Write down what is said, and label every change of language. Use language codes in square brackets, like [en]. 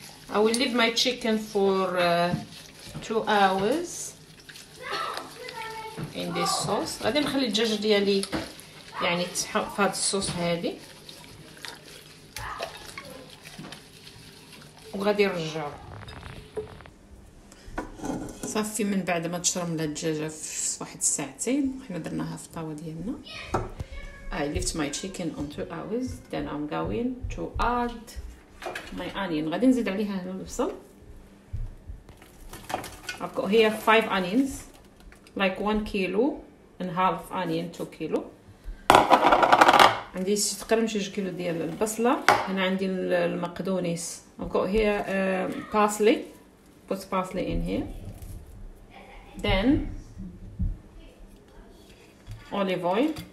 [en] I will leave my chicken for 2 hours in this sauce. [ar] غادي نخلي الدجاج ديالي يعني تسحق في هاد الصوص هادي، وغادي نرجع. صافي، من بعد ما تشرم الدجاجة في واحد الساعتين حنا درناها في الطاوة ديالنا. [en] I left my chicken on 2 hours, then I'm going to add my onion. [ar] غادي نزيد عليها هنا البصل. [en] I've got here 5 onions, like 1 kilo and half onion, 2 kilo. [ar] عندي تقريبا شي 2 كيلو ديال البصلة. هنا عندي المقدونيس. [en] I've got here parsley. Put parsley in here. Then olive oil.